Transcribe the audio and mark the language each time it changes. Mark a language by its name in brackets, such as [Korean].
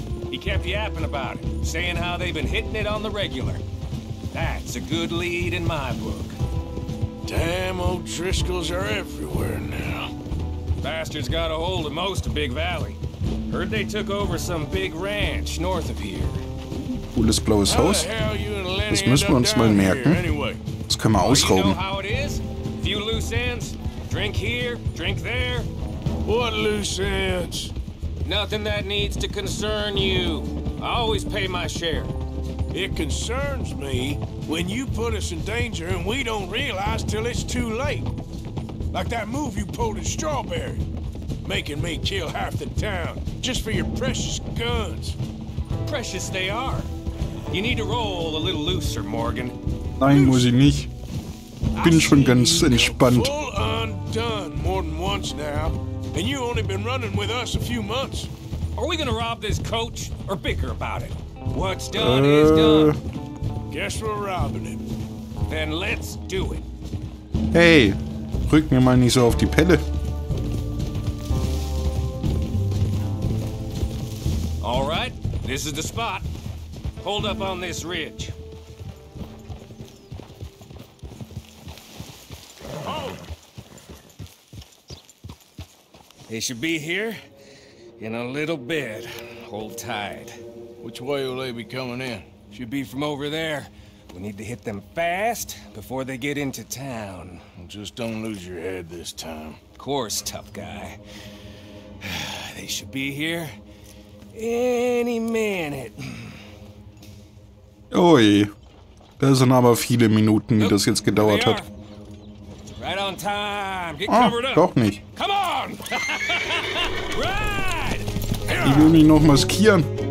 [English] He kept yapping about it, saying how they've been hitting it on the regular. That's a good lead in my book. Damn, O'Driscolls are everywhere now. Bastards got a hold of most of Big Valley. Heard they took over some big ranch north of here. [German] Cooles blaues Haus. Das müssen wir uns mal merken. Anyway. Das können wir ausrauben. [English] Well, you know how it is? Few loose ends. Drink here, drink there. What loose ends? Nothing that needs to concern you. I always pay my share. It concerns me when you put us in danger and we don't realize till it's too late. Like that move you pulled in Strawberry. Making me kill half the town just for your precious guns. Precious they are. You need to roll a little looser, Morgan. [German] Nein, muss ich nicht. Bin schon ganz entspannt. [English] Full undone more than once now. And you only been running with us a few months. Are we gonna rob this coach or bicker about it? What's done is done. Guess we're robbing it. Then let's do it. [German] Hey, rück mir mal nicht so auf die Pelle. [English] All right, this is the spot. Hold up on this ridge. They should be here in a little bit. Hold tight. Which way will they be coming in? Should be from over there. We need to hit them fast before they get into town. Just don't lose your head this time. Of course, tough guy. They should be here any minute. Oi. [German] Das sind aber viele Minuten, die das jetzt gedauert hat. [English] Right on time. Get covered up. [German] Doch nicht. [English] Come on. Ride. [German] Ich will mich noch maskieren.